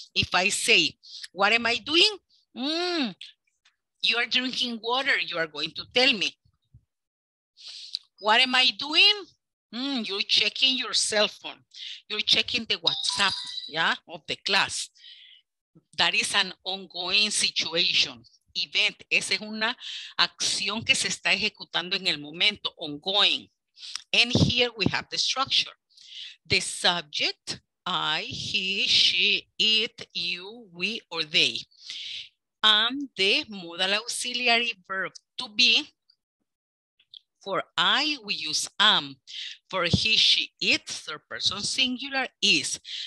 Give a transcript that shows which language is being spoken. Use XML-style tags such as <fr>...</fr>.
<en>If I say, what am I doing? You are drinking water, you are going to tell me. What am I doing? You're checking your cell phone. You're checking the WhatsApp, yeah, of the class. That is an ongoing situation.</en> <es>Event, esa es una acción que se está ejecutando en el momento, ongoing.</es> <en>And here we have the structure. The subject, I, he, she, it, you, we, or they. And the modal auxiliary verb to be. For I, we use am. For he, she, it, third person singular, is.</en>